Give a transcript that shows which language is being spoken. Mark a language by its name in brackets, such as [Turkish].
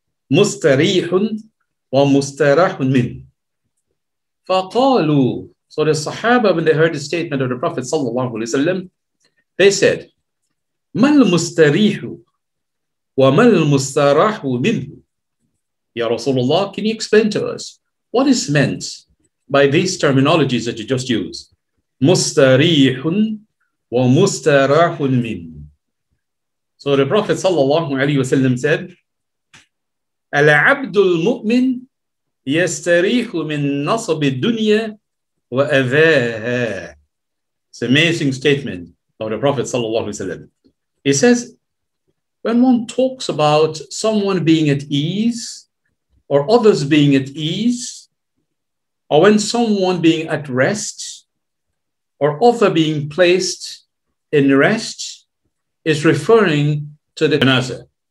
[Arabic] Mustarihun wa mustarahun min. [English] Faqalu, so the sahaba, when they heard the statement of the Prophet sallallahu alaihi wasallam, they said, [Arabic] ما المستريح وما المستراح منه؟ يا رسول الله, [English] can you explain to us what is meant by these terminologies that you just used? [Arabic] مستريح ومستراح منه. [English] So the Prophet [Arabic] صلى الله عليه وسلم [English] said, [Arabic] العبد المؤمن يستريح من نصب الدنيا وأذاها. [English] It's an amazing statement of the Prophet صلى الله عليه وسلم. He says, when one talks about someone being at ease or others being at ease, or when someone being at rest or other being placed in rest, is referring to the janazah.